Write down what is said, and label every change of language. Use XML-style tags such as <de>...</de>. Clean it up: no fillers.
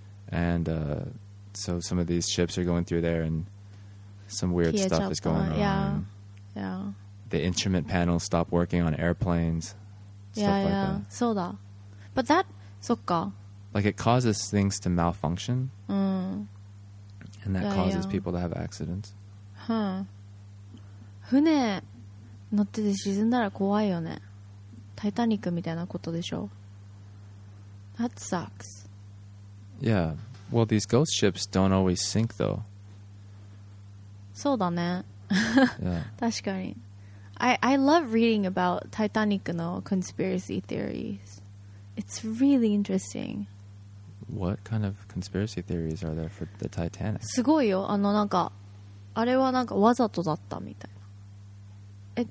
<en>And so some of these ships are going through there and some weird stuff is going on. Yeah, yeah. The instrument panels stop working on airplanes, stuff like that. Yeah, yeah,</en> <ja>そうだ。</ja> <en>But that,</en> <ja>そっか。</ja> <en>Like it causes things to malfunction, and that causes people to have accidents. Huh?</en> <ja>船乗ってて沈んだら怖いよね。タイタニックみたいなことでしょ。</ja> <en>That sucks. Yeah. Well, these ghost ships don't always sink, though.</en> <ja>そうだね。</ja> <en>yeah.</en> <ja>確かに。</ja> <en>I love reading about Titanic の conspiracy theories. It's really interesting. What kind of conspiracy theories are there for the Titanic?</en> <ja>すごいよ。あのなんかあれはなんかわざとだったみたいな。</ja>